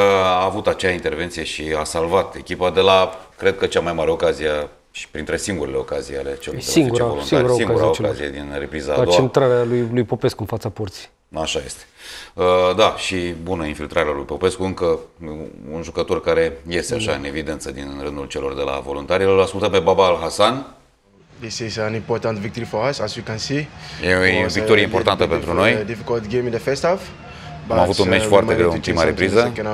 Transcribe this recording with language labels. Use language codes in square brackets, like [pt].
[ro] A avut acea intervenție și a salvat echipa de la, cred că, cea mai mare ocazie și printre singurele ocazii ale celor singura ocazie din repriza a doua. Centrarea lui Popescu în fața porții. Așa este. Da, și bună infiltrarea lui Popescu, încă un jucător care iese așa în evidență din rândul celor de la voluntari. L-a ascultat pe Baba Al-Hassan. [en] This is an important victory for us, as you can see. [ro] E o victorie importantă pentru noi. [en] Difficult game in the first half. [ro] Am avut un meci foarte greu în prima repriză.